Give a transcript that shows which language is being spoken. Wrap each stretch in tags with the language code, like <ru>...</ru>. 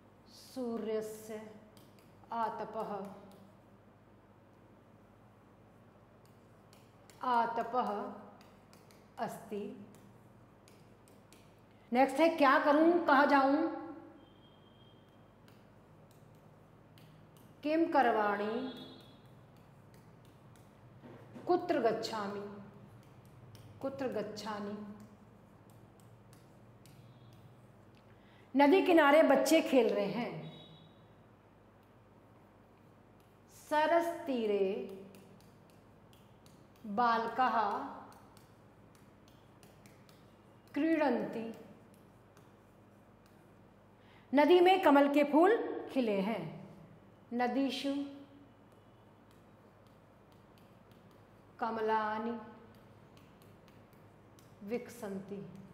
<sa>सूर्यस्य आतपः आतपः अस्ति।</sa> <hi>नेक्स्ट है क्या करूं कहा जाऊं,</hi> <sa>किम करवाणि कुत्र गच्छामि कुत्र गच्छानि।</sa> <hi>नदी किनारे बच्चे खेल रहे हैं।</hi> <sa>सरस तीरे बालकः क्रीडन्ति।</sa> <hi>नदी में कमल के फूल खिले हैं।</hi> <sa>नदीषु कमलानि विकसन्ति।</sa>